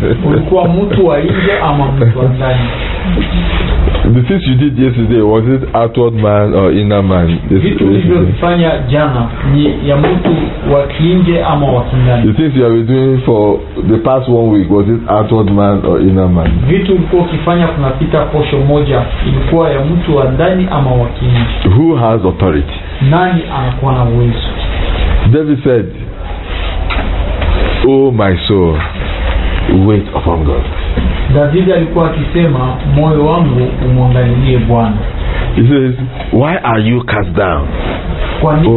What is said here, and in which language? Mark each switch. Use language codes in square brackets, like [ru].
[sw] Ulikuwa mtu wa nje ama mtu wa ndani? [en] The things you did yesterday, was it outward man or inner man? [sw] Vitu ulivyofanya jana ni ya mtu wa nje ama wa ndani? [en] The things you have been doing for the past 1 week, was it outward man or inner man? [sw] Vitu ulikuwa ukifanya kunapita posho moja, ilikuwa ya mtu wa ndani ama wa nje? [en] Who has authority? [sw] Nani anakuwa na uwezo? [en] David said, "Oh my soul, wait upon God." [sw] David alikuwa akisema, moyo wangu umwangalie Bwana. [en] He says, why are you cast down? [sw] Kwa nini,